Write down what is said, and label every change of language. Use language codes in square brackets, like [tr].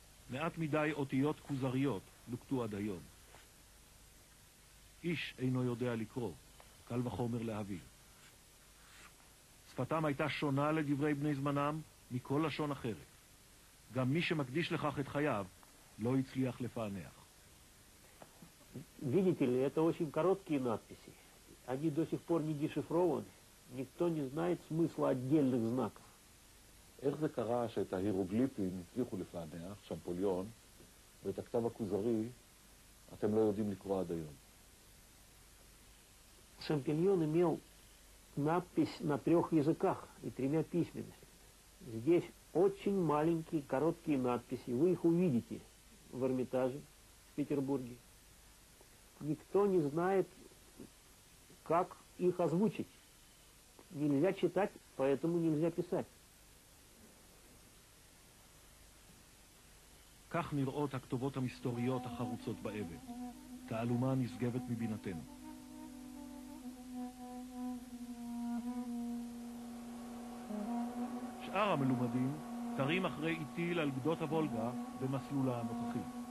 [he] מעט מדי אותיות כוזריות לוקטו עד היום. איש אינו יודע לקרוא, קל וחומר להבין. שפתם הייתה שונה לדברי בני זמנם מכל לשון אחרת. גם מי שמקדיש לכך את חייו לא הצליח לפענח. [ru] видите ли, это очень короткие надписи. Они до сих пор не дешифрованы. Никто не знает смысла отдельных знаков. [he] איך זה קרה שאת ההירוגליפים הצליחו לפענח, שמפוליון, ואת הכתב הכוזרי אתם לא יודעים לקרוא עד היום? [ru] שמפוליון имел надпись на трех языках и тремя письменами. Здесь очень маленькие, короткие надписи. Вы их увидите в Эрмитаже, в Петербурге. Никто не знает, как их озвучить. Нельзя читать, поэтому нельзя писать. [he] כך נראות הכתובות המסתוריות החרוצות באבן, תעלומה נשגבת מבינתנו. שאר המלומדים תרים אחרי איטיל על גדות הוולגה במסלולה הנוכחי.